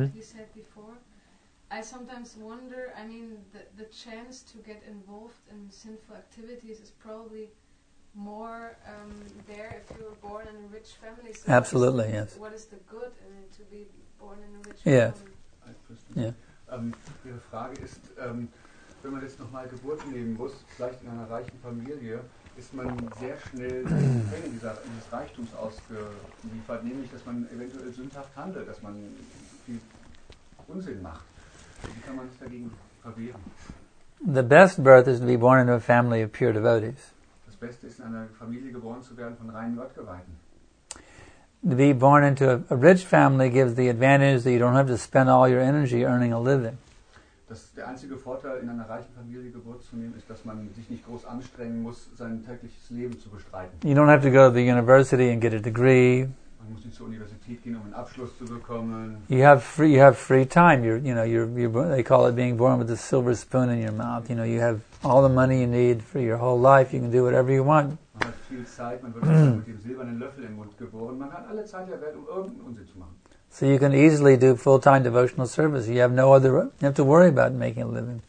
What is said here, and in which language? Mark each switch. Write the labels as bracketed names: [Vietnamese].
[English] like you said before, I sometimes wonder, I mean, the chance to get involved in sinful activities is probably more there if you were born in a rich family. So absolutely, yes. What is the good in it to be born in a rich yes. family? Yeah. [German] Ihre Frage ist, wenn man jetzt nochmal Geburt nehmen muss, vielleicht in einer reichen Familie, ist man sehr schnell in die Fänge dieses Reichtums ausgeliefert, nämlich dass man eventuell sündhaft handelt, dass man viel Unsinn macht. Wie kann man sich dagegen verwehren? [English] The best birth is to be born into a family of pure devotees. [German] Das Beste ist, in einer Familie geboren zu werden von reinen Gottgeweihten. [English] To be born into a rich family gives the advantage that you don't have to spend all your energy earning a living. [German] Das der einzige Vorteil, in einer reichen Familie Geburt zu nehmen, ist, dass man sich nicht groß anstrengen muss, sein tägliches Leben zu bestreiten. [English] You don't have to go to the university and get a degree. [German] Man muss nicht zur Universität gehen, um einen Abschluss zu bekommen. [English] You have free time. They call it being born with a silver spoon in your mouth. You know, you have all the money you need for your whole life. You can do whatever you want. [German] Man hat viel Zeit, man wird mit dem silbernen Löffel im Mund geboren. Man hat alle Zeit der Welt, um irgendeinen Unsinn zu machen. [English] So you can easily do full-time devotional service. You have no other. You have to worry about making a living.